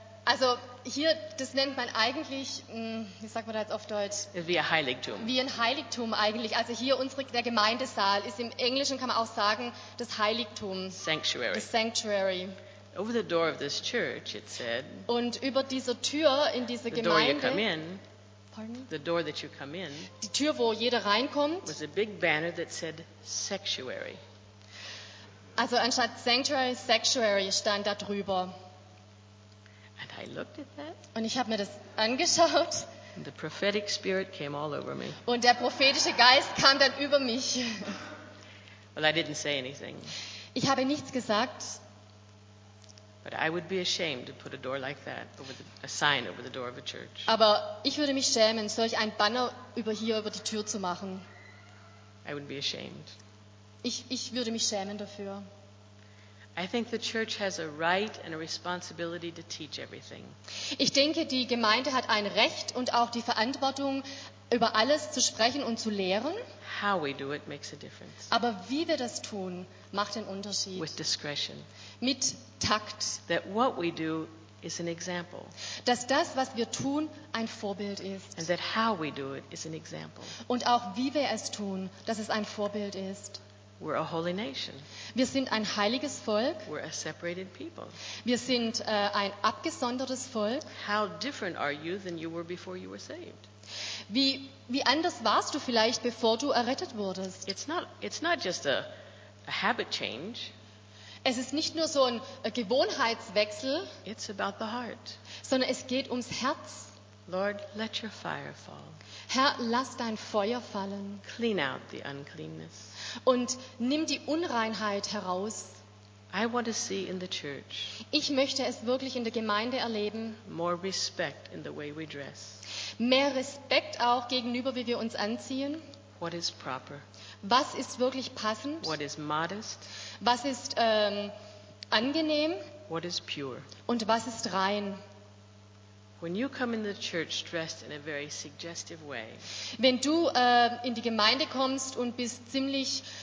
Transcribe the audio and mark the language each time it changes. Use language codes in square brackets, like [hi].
[de] Also hier, das nennt man eigentlich, wie sagt man das auf Deutsch? Wie ein Heiligtum. Wie ein Heiligtum eigentlich. Also hier unsere, der Gemeindesaal ist im Englischen, kann man auch sagen, das Heiligtum. [en] Sanctuary. The sanctuary. Over the door of this church, it said. [de] Und über dieser Tür in diese Gemeinde. [en] The door you come in. The door that you come in. [de] Die Tür, wo jeder reinkommt. [en] Was a big banner that said sanctuary. [de] Also anstatt sanctuary, sanctuary stand da drüber. [en] And I looked at that. [de] Und ich habe mir das angeschaut. [en] And the prophetic spirit came all over me. [de] Und der prophetische Geist kam dann über mich. [en] Well, I didn't say anything. [de] Ich habe nichts gesagt. [en] But I would be ashamed to put a door like that over the, a sign over the door of a church. [de] Aber ich würde mich schämen, solch ein Banner über hier über die Tür zu machen. [en] I would be ashamed. [de] Ich würde mich schämen dafür. [en] I think the church has a right and a responsibility to teach everything. [de] Ich denke, die Gemeinde hat ein Recht und auch die Verantwortung, über alles zu sprechen und zu lehren. [en] How we do it makes a difference. [de] Aber wie wir das tun, macht den Unterschied. [en] With discretion. [de] Mit Takt. [en] That what we do is an example. [de] Dass das, was wir tun, ein Vorbild ist. [en] And that how we do it is an example. [de] Und auch wie wir es tun, dass es ein Vorbild ist. [en] We're a holy nation. [de] Wir sind ein heiliges Volk. [en] We're a separated people. [de] Wir sind ein abgesondertes Volk. [en] How different are you than you were before you were saved? [de] Wie anders warst du vielleicht, bevor du errettet wurdest? [en] It's not just a habit change. [de] Es ist nicht nur so ein Gewohnheitswechsel. [en] It's about the heart. [de] Sondern es geht ums Herz. [en] Lord, let your fire fall. [de] Herr, lass dein Feuer fallen. [en] Clean out the uncleanness. [de] Und nimm die Unreinheit heraus. [en] I want to see in the church. [de] Ich möchte es wirklich in der Gemeinde erleben. [en] More respect in the way we dress. [de] Mehr Respekt auch gegenüber, wie wir uns anziehen. [en] What is proper? [de] Was ist wirklich passend? [en] What is modest? [de] Was ist angenehm? [en] What is pure? [de] Und was ist rein? [en] When you come in the church dressed in a very suggestive way. [de] Wenn du in die Gemeinde kommst und bist ziemlich